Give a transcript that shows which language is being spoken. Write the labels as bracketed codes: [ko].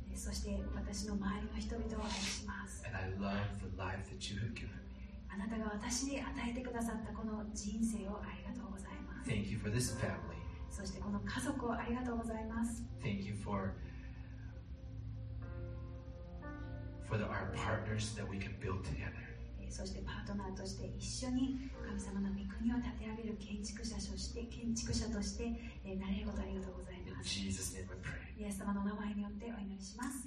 [ja] そして私の周りの人々を愛します。 [en] And I love the life that you have given. [ja] あなたが私に与えてくださったこの人生をありがとうございます。 [en] Thank you for this family. [ja] そしてこの家族をありがとうございます。 [en] Thank you for our partners that we can build together. [ja] そしてパートナーとして一緒に神様の御国を建て上げる建築者としてなれることありがとうございます。 [en] In Jesus' name I pray. [ja] イエス様の名前によってお祈りします。